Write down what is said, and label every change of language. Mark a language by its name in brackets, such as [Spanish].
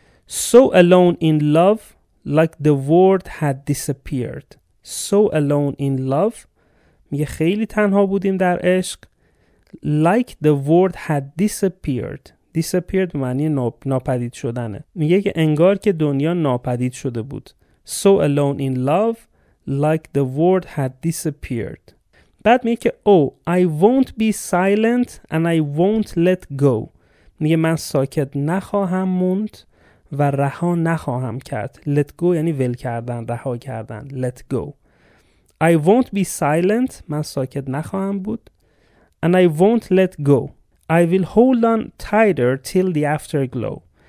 [English] So alone in love like the world had disappeared. So alone in love، [Persian] میگه خیلی تنها بودیم در عشق. [English] Like the world had disappeared. [Persian] Disappeared معنی ناپدید شدنه. میگه که انگار که دنیا ناپدید شده بود. [English] So alone in love like the world had disappeared. [Persian] بعد میگه که [English] oh, I won't be silent and I won't let go. [Persian] میگه من ساکت نخواهم موند و رها نخواهم کرد. Let go یعنی ول کردن، رها کردن. [English] Let go. I won't be silent. [Persian] من ساکت نخواهم بود. [English] And I won't let go. I will hold on tighter till the afterglow.